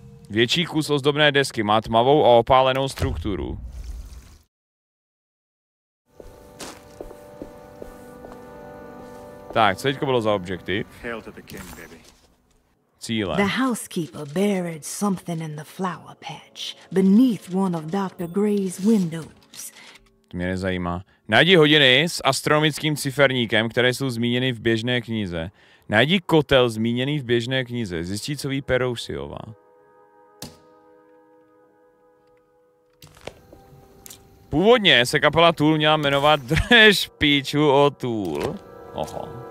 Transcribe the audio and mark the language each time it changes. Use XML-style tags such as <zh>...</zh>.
<cs>Větší kus ozdobné desky má tmavou a opálenou strukturu. Tak, co teďko bylo za objekty?</cs> <en>Hail to the king, baby. Cíle. The housekeeper buried something in the flower patch beneath one of Dr. Gray's windows.</en> <cs>To mě nezajímá. Najdi hodiny s astronomickým ciferníkem, které jsou zmíněny v běžné knize. Najdi kotel zmíněný v běžné knize. Zjistí, co ví Perousiova. Původně se kapela Tool měla jmenovat Dreš píču o Tool. Oho.</cs>